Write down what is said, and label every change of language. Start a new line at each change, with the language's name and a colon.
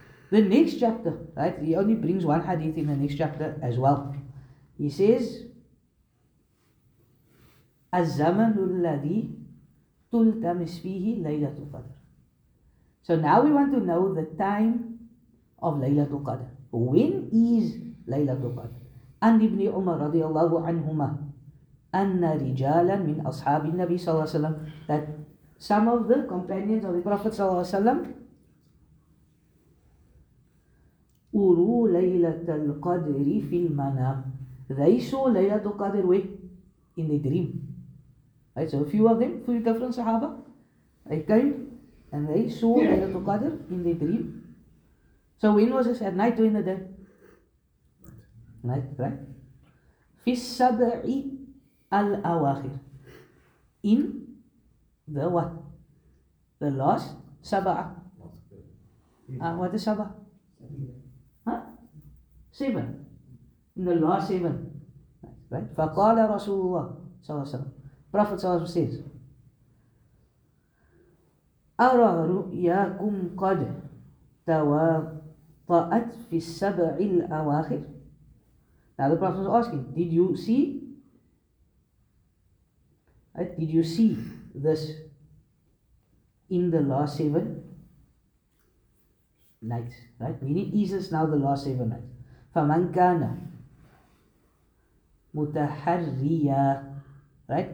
English: The next chapter, right, he only brings one hadith in the next chapter as well. He says,
Arabic: الزمن الذي تلتمس فيه ليلة القدر.
English: So now we want to know the time of ليلة القدر. When is ليلة القدر?
Arabic: عن ابن عمر رضي الله عنهما أن رجالا من أصحاب النبي صلى الله عليه وسلم,
English: that some of the companions of the Prophet
Arabic: صلى الله عليه وسلم أروا ليلة القدر في المنام.
English: They saw ليلة القدر in the dream. Right, so a few of them, a few different Sahaba, they came and they saw Laylatul Qadr in their dream. So when was this? At night or in the day? Night, right?
Arabic: في السبع الأواخر.
English: In the what? The last سبع. What is سبع? Seven. In the last seven. Right?
Arabic: فقال رسول الله صلى الله عليه وسلم.
English: Prophet صلى الله عليه وسلم says,
Arabic: أرى رؤياكم قد تواطأت في السبع الأواخر.
English: Now the Prophet was asking, did you see? Right? Did you see this in the last seven nights? Right? Meaning, is this now the last seven nights?
Arabic: فَمَنْ كَانَ مُتَحَرِّيًّا.
English: Right?